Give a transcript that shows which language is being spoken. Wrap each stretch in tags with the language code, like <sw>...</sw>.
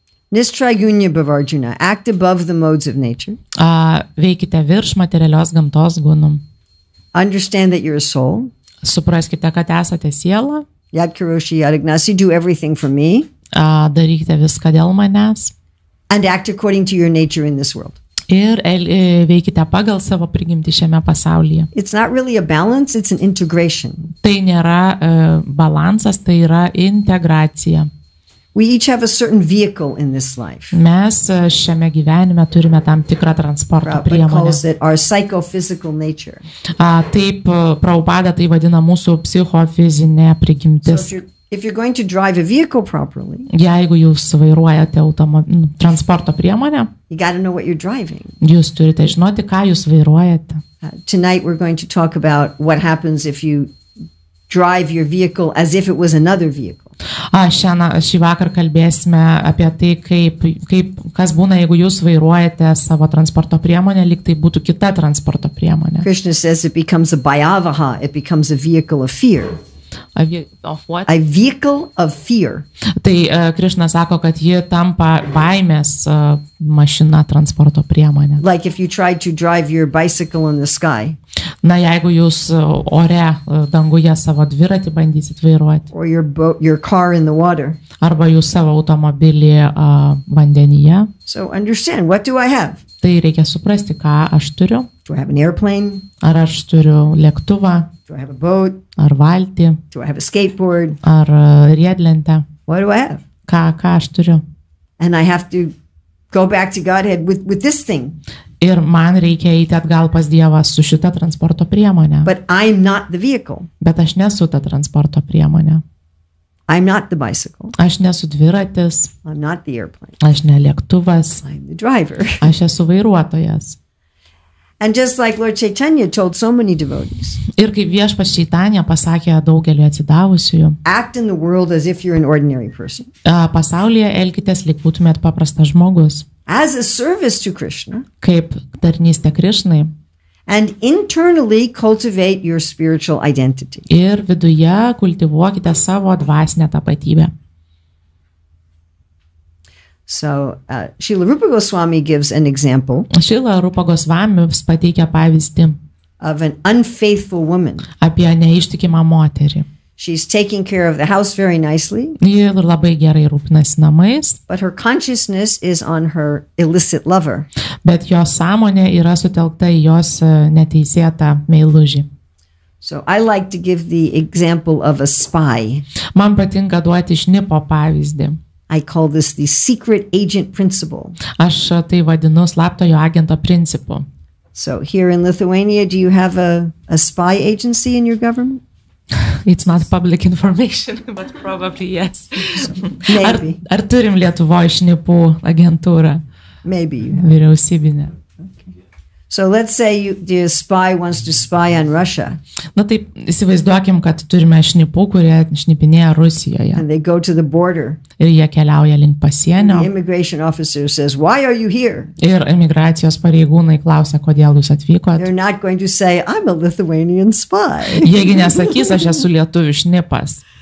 <sa>Nistrigunya Bhavarjuna,</sa> <en>act above the modes of nature.</en> <lt>Veikite virš materialios gamtos gunų.</lt> <en>Understand that you're a soul.</en> <lt>Supraskite, kad esate siela.</lt> <sa>Yadkiroshi, Yadignasi,</sa> <en>do everything for me.</en> <lt>Darykite viską dėl manęs.</lt> <en>And act according to your nature in this world.</en> <lt>Ir veikite pagal savo prigimtį šiame pasaulyje.</lt> <en>It's not really a balance, it's an integration.</en> <lt>Tai nėra balansas, tai yra integracija.</lt> <en>We each have a certain vehicle in this life.</en> <lt>Mes šiame gyvenime turime tam tikrą transporto priemonę.</lt> <en>Prabhupada calls it our psychophysical nature.</en> <lt>Taip Prabhupada tai vadina mūsų psichofizinė prigimtis.</lt> <en>If you're going to drive a vehicle properly.</en> <lt>Jeigu jūs vairuojate transporto priemonę,</lt> <en>you got to know what you're driving.</en> <lt>Jūs turite žinoti, ką jūs vairuojate.</lt> <en>Tonight we're going to talk about what happens if you drive your vehicle as if it was another vehicle.</en> <lt>Šį vakar kalbėsime apie tai, kaip kas būna, jeigu jūs vairuojate savo transporto priemonę, lyg tai būtų kita transporto priemonė.</lt> <en>Krishna says it becomes a bhayavaha, it becomes a vehicle of fear. A vehicle of fear.</en> <lt>Tai Krishna sako, kad ji tampa baimės mašina transporto priemonė.</lt> <en>Like if you try to drive your bicycle in the sky.</en> <lt>Na, jeigu jūs ore danguje savo dviratį bandysit vairuoti.</lt> <en>Or your car in the water.</en> <lt>Arba jūs savo automobilį vandenyje.</lt> <en>So understand, what do I have?</en> <lt>Tai reikia suprasti, ką aš turiu.</lt> <en>Do I have an airplane?</en> <lt>Ar aš turiu lėktuvą?</lt> <en>Do I have a boat?</en> <lt>Ar valtį?</lt> <en>Do I have a skateboard?</en> <lt>Ar riedlentę?</lt> <en>What do I have?</en> <lt>Ką aš turiu?</lt> <en>And I have to go back to Godhead with this thing.</en> <lt>Ir man reikia eiti atgal pas Dievą su šita transporto priemonė.</lt> <en>But I'm not the vehicle.</en> <lt>Bet aš nesu ta transporto priemonė.</lt> <en>I'm not the bicycle.</en> <lt>Aš nesu dviratis.</lt> <en>I'm not the airplane.</en> <lt>Aš ne lėktuvas.</lt> <en>I'm the driver.</en> <lt>Aš esu vairuotojas.</lt> <en>And just like Lord Chaitanya told so many devotees.</en> <lt>Ir kaip viešpats Čaitanya pasakė daugeliui atsidavusiųjų.</lt> <en>Act in the world as if you're an ordinary person.</en> <lt>Pasaulyje elgitės lyg būtumėt paprastas žmogus.</lt> <en>As a service to Krishna.</en> <lt>Kaip tarnystė Krishnai.</lt> <en>And internally cultivate your spiritual identity.</en> <lt>Ir viduje kultivuokite savo dvasinę tapatybę.</lt> <en>So, Srila Rupa Goswami gives an example.</en> <lt>Srila Rupa Goswami pateikia pavyzdį.</lt> <en>Of an unfaithful woman.</en> <lt>Apie neištikimą moterį.</lt> <en>She's taking care of the house very nicely.</en> <lt>Ji labai gerai rūpinasi namais.</lt> <en>But her consciousness is on her illicit lover.</en> <lt>Bet jos sąmonė yra sutelkta į jos neteisėtą meilužį.</lt> <en>So I like to give the example of a spy.</en> <lt>Man patinka duoti šnipo pavyzdį.</lt> <en>I call this the secret agent principle.</en> <lt>Aš tai vadinu slaptojo agento principu.</lt> <en>So here in Lithuania, do you have a spy agency in your government? It's not public information, but probably yes. Maybe.</en> <lt>Ar turim Lietuvoj šnipų agentūrą?</lt> <en>Maybe you have.</en> <lt>Vyriausybinę.</lt> <en>So let's say the spy wants to spy on Russia.</en> <lt>Na taip, įsivaizduokim, kad turime šnipų, kurie šnipinėja Rusijoje.</lt> <en>And they go to the border.</en> <lt>Ir jie keliauja link pasienio.</lt> <en>The immigration officer says, "Why are you here?"</en> <lt>Ir imigracijos pareigūnai klausia, kodėl jūs atvykot.</lt> <en>They're not going to say, "I'm a Lithuanian spy."</en> <lt>Jiegi nesakys, aš esu lietuvių šnipas.</lt>